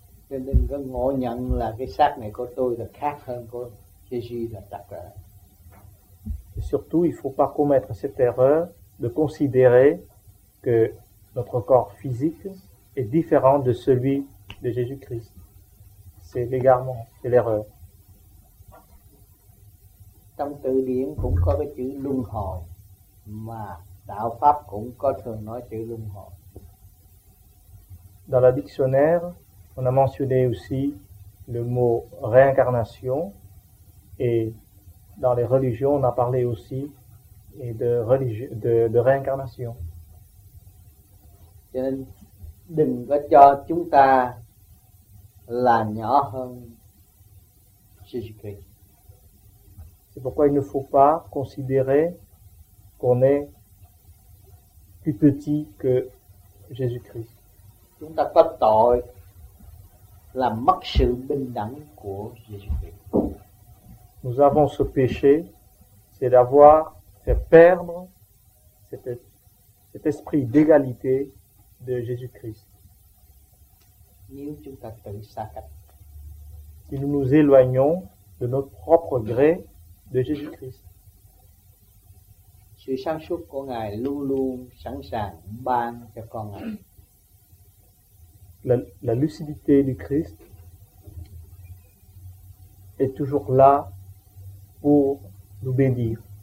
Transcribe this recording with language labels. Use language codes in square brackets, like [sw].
[fr] Et surtout, il ne faut pas commettre cette erreur de considérer que notre corps physique est différent de celui de Jésus-Christ. C'est l'égarement, c'est l'erreur. [vi] Trong từ điển cũng có cái chữ luân hồi, mà đạo pháp cũng có thường nói chữ luân hồi. [fr] Dans le dictionnaire, on a mentionné aussi le mot réincarnation, et dans les religions, on a parlé aussi de réincarnation. [vi] Cho nên đừng có cho chúng ta là nhỏ hơn Jésus-Christ. [fr] C'est pourquoi il ne faut pas considérer qu'on est plus petit que Jésus-Christ. [vi] Chúng ta có tội là mất sự bình đẳng của Jésus-Christ. [fr] Nous avons ce péché, c'est d'avoir fait perdre cet esprit d'égalité de Jésus-Christ. Si nous nous éloignons de notre propre gré de Jésus-Christ, [vi] sự sáng suốt của Ngài luôn luôn sẵn sàng ban cho con Ngài. [fr] La lucidité du Christ est toujours là pour nous bénir.